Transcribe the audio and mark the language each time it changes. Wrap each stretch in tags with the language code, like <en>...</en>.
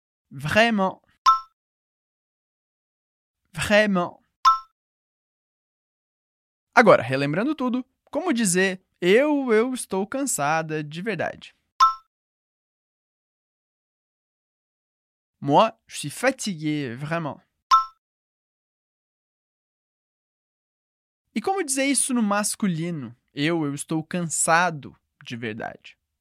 <fr>Vraiment. Vraiment.</fr> <pt>Agora, relembrando tudo, como dizer eu estou cansada de verdade?</pt> <fr>Moi, je suis fatigué, vraiment.</fr> <pt>E como dizer isso no masculino? Eu estou cansado de verdade.</pt>